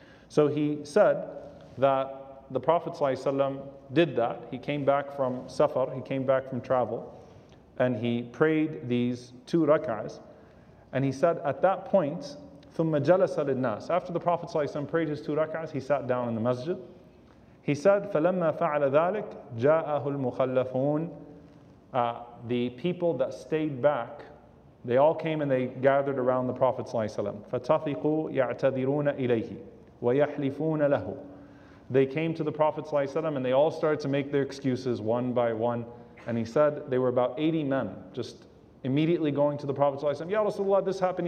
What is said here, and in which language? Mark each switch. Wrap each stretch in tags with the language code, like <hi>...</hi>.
<en>So he said that the Prophet ﷺ did that. He came back from safar, he came back from travel, and he prayed these two rak'ahs. And he said at that point,</en> <ar>ثُمَّ جَلَسَ لِلنَّاسِ.</ar> <en>After the Prophet ﷺ prayed his two rak'ahs, he sat down in the masjid. He said,</en> <ar>فَلَمَّا فَعَلَ ذَلِكَ جَاءَهُ الْمُخَلَّفُونَ.</ar> <en>The people that stayed back, they all came and they gathered around the Prophet ﷺ.</en> <ar>فَتَفِقُوا يَعْتَذِرُونَ إِلَيْهِ وَيَحْلِفُونَ لَهُ.</ar> <en>They came to the Prophet ﷺ and they all started to make their excuses one by one. And he said, they were about 80 men just immediately going to the Prophet ﷺ. Ya Rasulullah, this happened.</en>